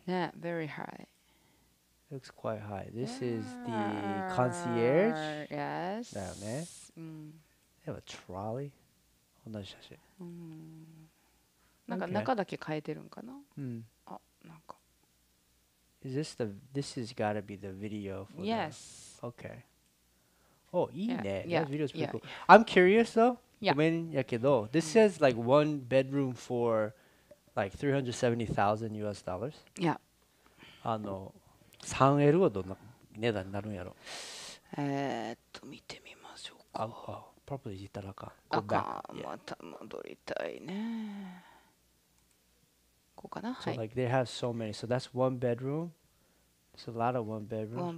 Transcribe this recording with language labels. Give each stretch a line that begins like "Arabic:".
English: Yeah, very high. It looks quite high. This is the concierge. Yes.
Japanese: だよね。
English: They have a trolley.
Japanese: 同じ写真。なんか中だけ変えてるんかな。あ、なんか。
English: Is this the? This has got to be the video for this. Yes. The, okay. Oh,
Japanese: いいね.
English: Yeah. That video is pretty cool. I'm curious though. Yeah.
Japanese: ごめんやけど,
English: this says like one bedroom for like $370,000. Yeah.
Japanese: あの, 3L はどんな値段になるんやろ? 見てみましょうか.
English: Oh, probably
Japanese: いたらか.
English: Go back.
Japanese: また戻りたいね。
English: So like they have so many. So that's one bedroom. It's a lot of one bedrooms.